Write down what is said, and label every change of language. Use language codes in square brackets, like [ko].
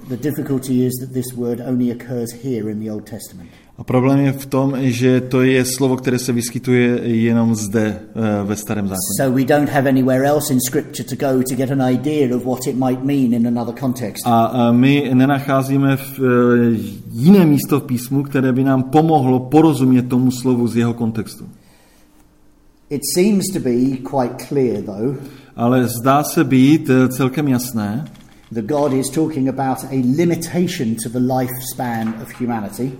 [en] The difficulty is that this word only occurs here in the Old Testament. [cs] A problém je v tom, že to je slovo, které se vyskytuje jenom zde ve starém zákoně. [en] So we don't have anywhere else in scripture to go to get an idea of what it might mean in another context. [cs] A my nenacházíme v jiné místo v písmu, které by nám pomohlo porozumět tomu slovu z jeho kontextu. [en] It seems to be quite clear though. [cs] Ale zdá se být celkem jasné. [en] The God is talking about a limitation to the lifespan of humanity.